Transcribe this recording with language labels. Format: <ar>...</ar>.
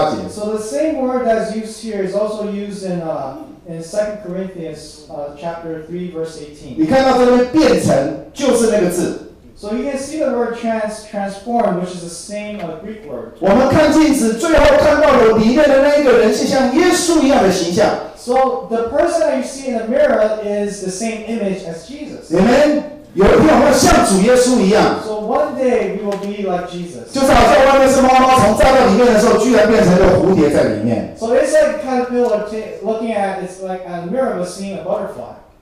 <en>So the same word that's used here is also used in 2 Corinthians chapter 3 verse 18.</en> <zh>你看到这边变成就是那个字。</zh> <en>So you can see the word transform, which is the same Greek word.</en> <zh>我们看镜子，最后看到有里面的那一个人，是像耶稣一样的形象。</zh> <en>So the person that you see in the mirror is the same image as Jesus. Amen.</en> <zh>有一天我们像主耶稣一样。</zh> <en>So one day we will be like Jesus.</en> <zh>就是好像外面是毛毛虫，站到里面的时候，居然变成了蝴蝶在里面。</zh> <en>So it's like caterpillar looking at it's like a mirror was seeing a butterfly.</en>